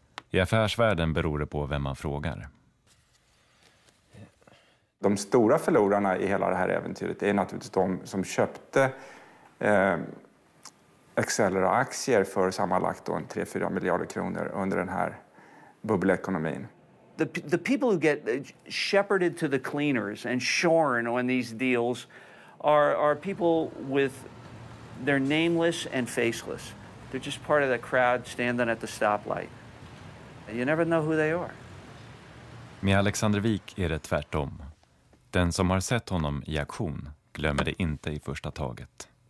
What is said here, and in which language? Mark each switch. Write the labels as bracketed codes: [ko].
[sv] I affärsvärlden beror det på vem man frågar. De stora förlorarna i hela det här äventyret är naturligtvis de som köpte Accelera-aktier för sammanlagt 3-4 miljarder kronor under den här bubbelekonomin. [en] The people who get shepherded to the cleaners and shorn on these deals are people with... They're nameless and faceless. They're just part of the crowd standing at the stoplight. You never know who they are. [sv] Med Alexander Wik är det tvärtom. Den som har sett honom i aktion glömmer det inte i första taget.